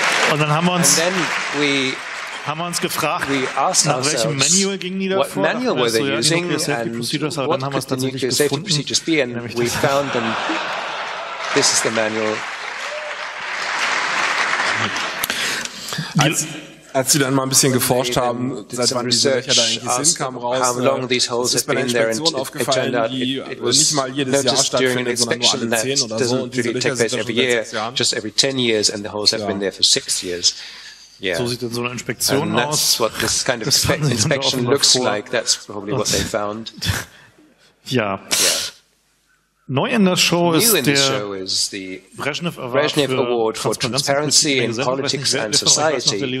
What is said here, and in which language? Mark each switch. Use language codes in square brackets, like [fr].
[de] Und dann haben wir uns haben wir uns gefragt, nach welchem Manual gingen die da vor? [en] Manual were they using and what could the nuclear safety procedures be? And we found them. This is the manual. [de] Als sie dann mal ein bisschen geforscht haben, seit wann diese Löcher da eigentlich sind, kam raus, dass es bei einer Inspektion aufgefallen, die nicht mal jedes Jahr stattfindet, sondern nur alle 10 oder so. Und diese Löcher sind schon seit 6 Jahren. [en] Just every 10 years and the holes have been there for 6 years. [de] Yeah. So sieht dann so eine Inspektion aus. [en] That's what this kind of inspection looks like. That's probably what they found. [de] Ja. Neu in der Show ist der Brezhnev Award for Transparency in Politics and Society.